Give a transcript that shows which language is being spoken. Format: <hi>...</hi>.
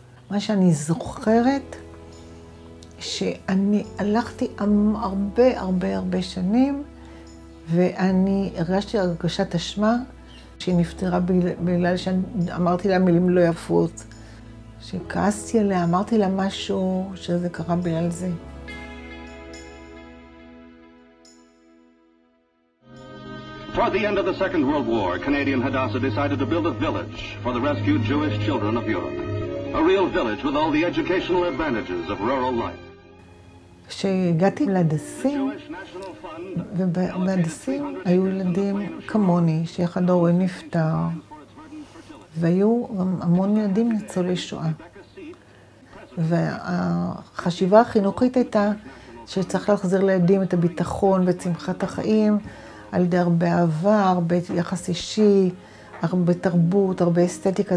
<he>מה שאני זוכרת, שאני הלכתי הרבה הרבה הרבה שנים, ואני הרגשתי הרגשת אשמה שהיא נפטרה בגלל שאמרתי לה מילים לא יפות. שכעסתי עליה, אמרתי לה משהו שזה קרה בגלל זה.</he> <en>Toward the end of the Second World War, Canadian Hadassah decided to build a village for the rescued Jewish children of Europe. A real village with all the educational advantages of rural life.</en> <he>כשהגעתי להדסים, ובהדסים היו ילדים כמוני, שאחד ההורים נפטר, והיו המון ילדים ניצולי שואה. והחשיבה החינוכית הייתה שצריך להחזיר לילדים את הביטחון וצמחת החיים על ידי הרבה אהבה, הרבה יחס אישי, הרבה תרבות, הרבה אסתטיקה.</he>